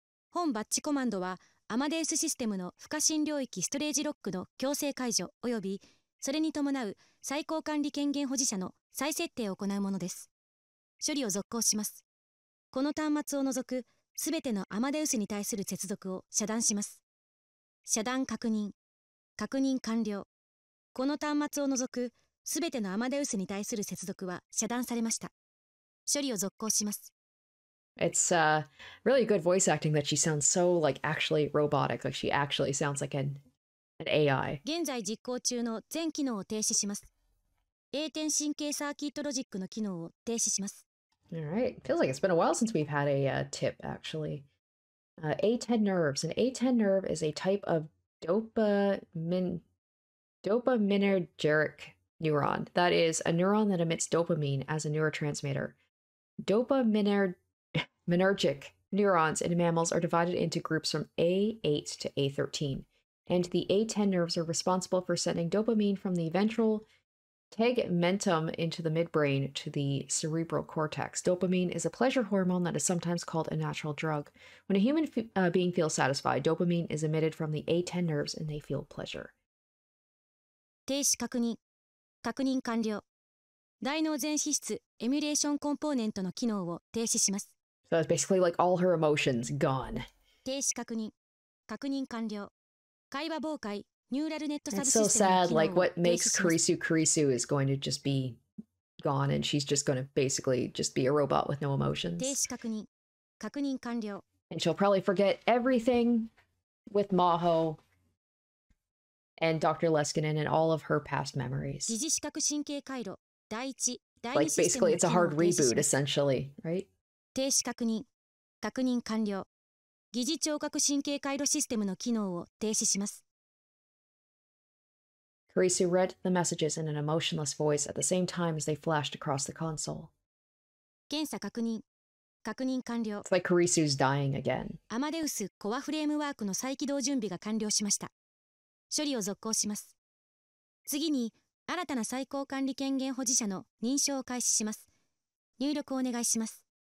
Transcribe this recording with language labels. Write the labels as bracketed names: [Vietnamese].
[Japanese] 本バッチコマンドはアマデウスシステムの不可侵領域ストレージロックの強制解除及びそれに伴う最高管理権限保持者の再設定を行うものです。処理を続行します。この端末を除くすべてのアマデウスに対する接続を遮断します。遮断確認。確認完了。この端末を除く、すべてのアマデウスに対する接続は遮断されました。処理を続行します。 [English] It's really good voice acting that she sounds so like actually robotic, like she actually sounds like an AI. [Japanese] 現在実行中の全機能を停止します。A 点神経サーキットロジックの機能を停止します。 [English] All right, feels like it's been a while since we've had a tip actually. A10 nerves. An A10 nerve is a type of dopaminergic neuron. That is a neuron that emits dopamine as a neurotransmitter. Dopaminergic neurons in mammals are divided into groups from A8 to A13. And the A10 nerves are responsible for sending dopamine from the ventral tegmentum into the midbrain to the cerebral cortex. Dopamine is a pleasure hormone that is sometimes called a natural drug. When a human being feels satisfied, dopamine is emitted from the A10 nerves and they feel pleasure. [Japanese] 停止確認。確認完了。大脳全皮質エミュレーションコンポーネントの機能を停止します。 [English] So it's basically like all her emotions gone. [Japanese] 停止確認。確認完了。会話傍回ニューラルネットサブシステムの機能を停止します。 [English] Like what makes Kirisu Kirisu is going to just be gone and she's just going to basically just be a robot with no emotions. [Japanese] 停止確認。確認完了。 [English] And she'll probably forget everything with Maho. And Dr. Leskinen and all of her past memories. [Japanese] 自主核神経回路第一、第二システ [English] ム。 Like basically it's a hard reboot essentially, right? [Japanese] 停止確認。確認完了。疑似聴覚神経回路システムの機能を停止します。 [English] Kirisu read the messages in an emotionless voice at the same time as they flashed across the console. [Japanese] 検査確認。確認完了。 [English] It's like Kirisu's dying again. [Japanese] アマデウスコアフレームワークの再起動準備が完了しました。処理を続行します。次に、新たな最高管理権限保持者の認証を開始します。入力をお願いします。